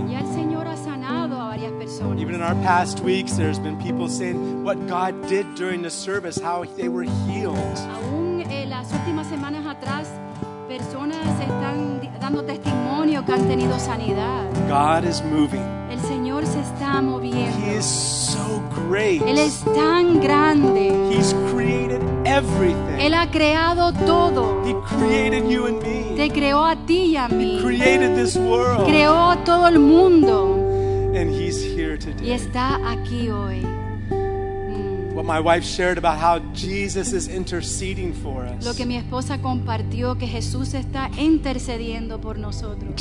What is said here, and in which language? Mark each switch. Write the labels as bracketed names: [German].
[Spanish] Y el Señor ha sanado a varias personas. [English] Even in our past weeks, there's been people saying what God did during the service, how they were healed. [Spanish] Aún en las últimas semanas atrás, personas están dando testimonio que han tenido sanidad. [English] God is moving. [Spanish] El Señor se está moviendo. [English] He is so great. [Spanish] Él es tan grande. [English] He's created everything. [Spanish] Él ha creado todo. [English] He created you and me. [Spanish] Te creó a ti y a mí. [English] He created this world. [Spanish] Creó a todo el mundo. [English] And he's here today. [Spanish] Y está aquí hoy. [English] What my wife shared about how Jesus is interceding for us. [Spanish] Lo que mi esposa compartió, que Jesús está intercediendo por nosotros.